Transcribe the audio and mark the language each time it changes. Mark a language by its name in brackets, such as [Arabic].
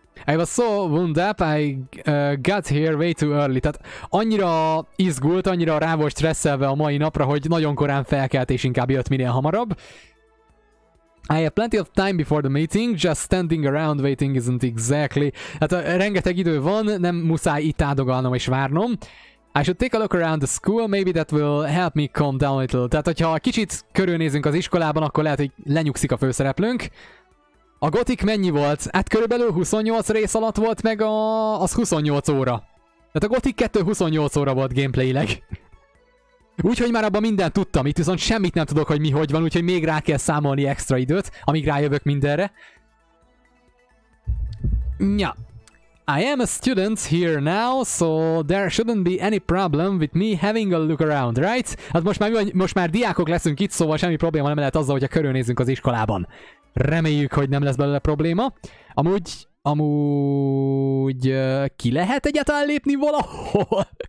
[English] I was so wound up, I got here way too early. [Hungarian] Tehát annyira izgult, annyira rá volt stresszelve a mai napra, hogy nagyon korán felkelt és inkább jött minél hamarabb. [English] I have plenty of time before the meeting, just standing around waiting isn't exactly... [Hungarian] Hát rengeteg idő van, nem muszáj itt áldogálnom és várnom. [English] I should take a look around the school, maybe that will help me calm down a little. [Hungarian] Tehát hogyha kicsit körülnézünk az iskolában, akkor lehet, hogy lenyugszik a főszereplőnk. A gotik mennyi volt? Hát körülbelül 28 rész alatt volt meg az 28 óra. Tehát a gotik 2 28 óra volt gameplayileg. Úgyhogy már abban mindent tudtam, itt viszont semmit nem tudok, hogy mi hogy van, úgyhogy még rá kell számolni extra időt, amíg rájövök mindenre. Nya. [English] I am a student here now, so there shouldn't be any problem with me having a look around, right? [Hungarian] Hát most már diákok leszünk itt, szóval semmi probléma nem lehet azzal, hogyha körülnézünk az iskolában. Reméljük, hogy nem lesz belőle probléma. Amúgy ki lehet egyáltalán lépni valahol?